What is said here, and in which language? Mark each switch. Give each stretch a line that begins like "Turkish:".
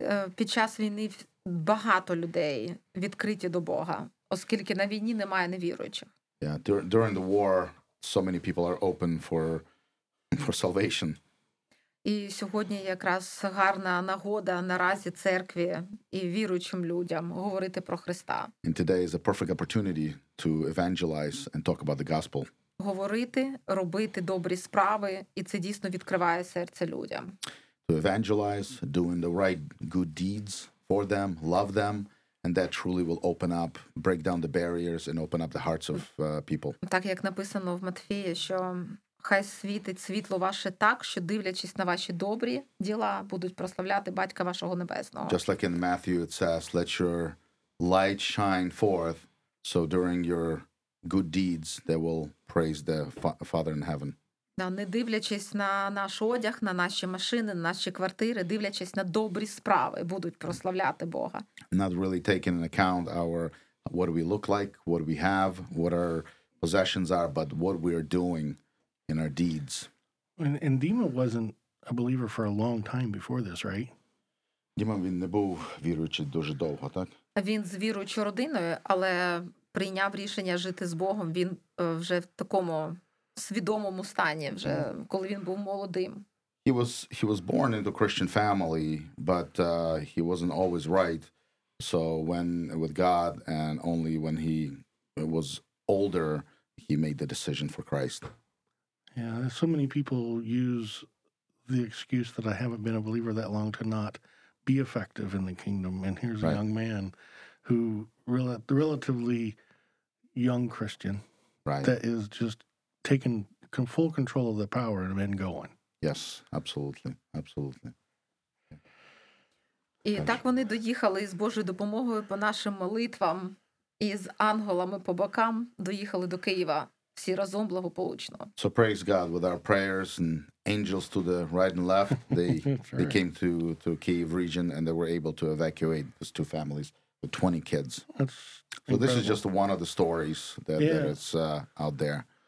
Ukrainian: Під час війни багато людей відкриті до Бога. Оскільки на війні немає невіруючих.
English: Yeah, during the war, so many people are open for salvation.
Ukrainian: І сьогодні якраз гарна нагода наразі церкві і віруючим людям говорити про Христа.
English: And today is a perfect opportunity to evangelize and talk about the gospel.
Ukrainian: говорити, робити добрі справи, і це дійсно відкриває серце людям.
English: To evangelize, doing the right good deeds for them, love them, and that truly will open up, break down the barriers and open up the hearts of people.
Ukrainian: Так як написано в Матфії, що хай світить світло ваше так, що дивлячись на ваші добрі діла, будуть прославляти Батька вашого небесного.
English: Just like in Matthew it says, let your light shine forth, so during your good deeds they will praise the Father in heaven.
Ukrainian: Да, не дивлячись на наш одяг, на наші машини, на наші квартири, дивлячись на добрі справи, будуть прославляти Бога.
English: Not really taking into account our what we look like, what we have, what our possessions are, but what we are doing in our deeds. And Dima wasn't a believer for a long time before this, right?
Ukrainian: Дима, він не був віруючий дуже довго, так? Він з віруючою родиною, але прийняв рішення жити з Богом, він вже в такому свідомому стані вже, коли він був молодим.
English: He was born into a Christian family, but he wasn't always right. So when with God and only when he was older, he made the decision for Christ. Yeah, so many people use the excuse that I haven't been a believer that long to not be effective in the kingdom. And here's a young man who relatively young Christian that is just taking full control of the power and then going. Yes, absolutely, absolutely.
Ukrainian: І так вони доїхали із Божою допомогою по нашим молитвам і з анголами по бокам доїхали до Києва. Всі разом благополучно.
English: So praise God with our prayers and angels to the right and left, they they came to Kyiv region and they were able to evacuate those two families with 20 kids. That's incredible. So this is just one of the stories that is out there.